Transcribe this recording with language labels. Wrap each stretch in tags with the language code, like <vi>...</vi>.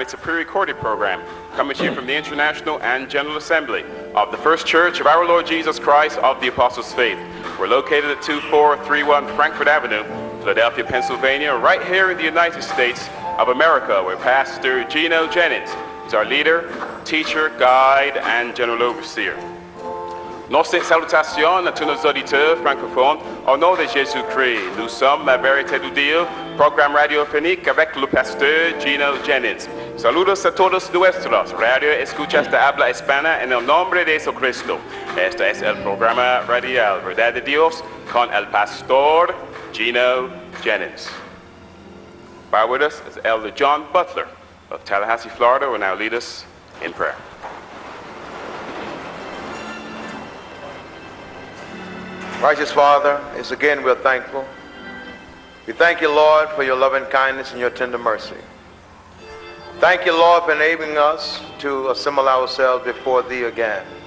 <en>It's a pre-recorded program coming to you from the International and General Assembly of the First Church of Our Lord Jesus Christ of the Apostles' Faith. We're located at 2431 Frankfort Avenue, Philadelphia, Pennsylvania, right here in the United States of America, where Pastor Gino Jennings is our leader, teacher, guide, and general overseer.</en> <fr>Nostre salutation à tous nos auditeurs francophones. Au nom de Jésus-Christ, nous sommes la vérité du Dieu, programme radiophonique avec le pasteur Gino Jennings.</fr> <es>Saludos a todos nuestros, radio escuchas de habla hispana en el nombre de Jesucristo. Este es el programa radial, verdad de Dios, con el pastor Gino Jennings.</es> <en>By with us is Elder John Butler of Tallahassee, Florida, who will now lead us in prayer. Righteous Father, it's again we're thankful. We thank you, Lord, for your loving kindness and your tender mercy. Thank you, Lord, for enabling us to assemble ourselves before thee again.</en>